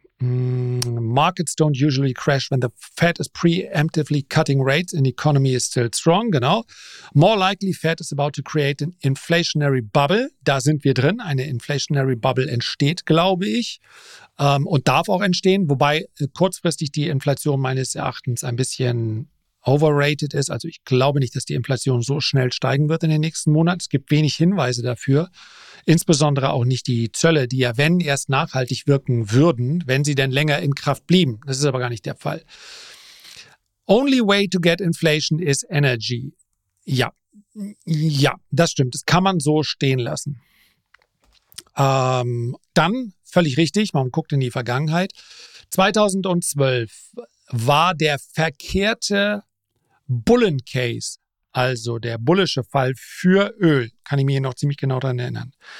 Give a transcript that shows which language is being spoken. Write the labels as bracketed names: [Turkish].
[English] Markets don't usually crash when the Fed is preemptively cutting rates and the economy is still strong. [German] Genau. [English] More likely Fed is about to create an inflationary bubble. [German] Da sind wir drin. Eine inflationary bubble entsteht, glaube ich. Und darf auch entstehen, wobei kurzfristig die Inflation meines Erachtens ein bisschen overrated ist. Also ich glaube nicht, dass die Inflation so schnell steigen wird in den nächsten Monaten. Es gibt wenig Hinweise dafür, insbesondere auch nicht die Zölle, die ja, wenn erst nachhaltig wirken würden, wenn sie denn länger in Kraft blieben. Das ist aber gar nicht der Fall. [English] Only way to get inflation is energy. [German] Ja, das stimmt. Das kann man so stehen lassen. Dann, völlig richtig, man guckt in die Vergangenheit. 2012 war der verkehrte Bullen-Case, also der bullische Fall für Öl, kann ich mir noch ziemlich genau daran erinnern.